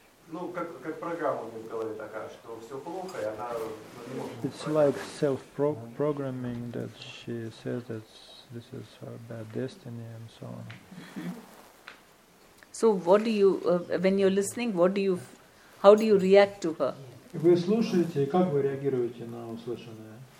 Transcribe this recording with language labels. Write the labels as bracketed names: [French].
[Russian] Ну, как программа у нее в голове такая, что все плохо, и она не может. [English] It's like self-programming that she says that this is her bad destiny and so on. So what do you, when you're listening, what do you, how do you react to her? [Russian] Вы слушаете, и как вы реагируете на услышанное?